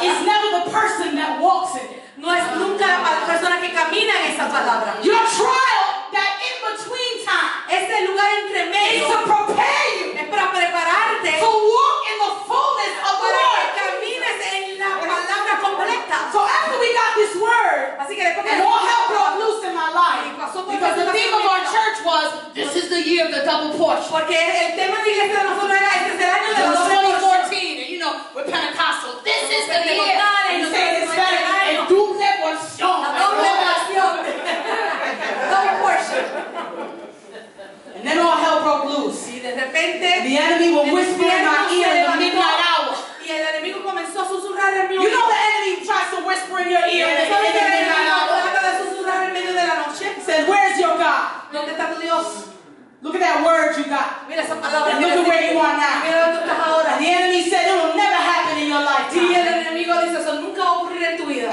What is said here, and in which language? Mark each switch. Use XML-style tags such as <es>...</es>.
<en>is never the person that walks in it.</en> <es>No es nunca la persona que camina en esa palabra.</es> <en>Your trial, that in between time,</en> <es>es el lugar entre medio,</es> <en>is to prepare you,</en> <es>es para prepararte,</es> <en>to walk in the fullness of the word. So after we got this word, and all hell broke loose in my life, because the theme of our church was, this is the year of the double portion.</en> <es>Porque el tema de iglesia de nosotros era, este es el año de</es> <en>los 2014, and you know, we're Pentecostal. This is the year. And you say it's better. A</en> <es>doble porción. A doble porción.</es> <en>Double portion. And then all hell broke loose.</en> <es>Y de repente,</es> <en>the enemy will whisper in my ear in the midnight hour.</en> <es>Y el enemigo comenzó a susurrar en mi oído.</es> <en>You know the enemy tries to whisper in your ear</en> <es>en medio de la noche.</es> <en>Says, where is your God?</en> <es>¿Dónde está tu Dios?</es> <en>Look at that word you got.</en> <es>Mira esa palabra.</es> <en>And look at where you are now. And the enemy said, it will never happen in your lifetime.</en> <es>Y el enemigo dice, eso nunca va a ocurrir en tu vida.</es>